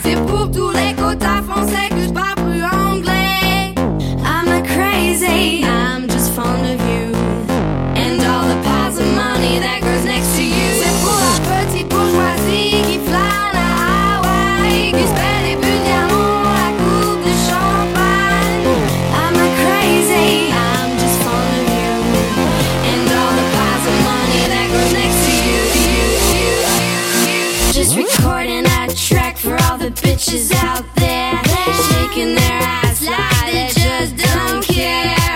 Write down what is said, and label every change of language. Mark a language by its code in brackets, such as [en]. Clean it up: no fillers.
[fr] C'est pour tous les quotas français que je parle plus anglais. [en] I'm not crazy, I'm just fond of you. And all the piles of money that grows next to you. [fr] C'est pour la petite bourgeoisie qui flâne à Hawaï. Qui se paie des bulles diamants, la coupe de champagne. [en] I'm not crazy, I'm just fond of you. And all the piles of money that grows next to you. Just recording a track for all the bitches out there. Shaking their ass like they just don't care.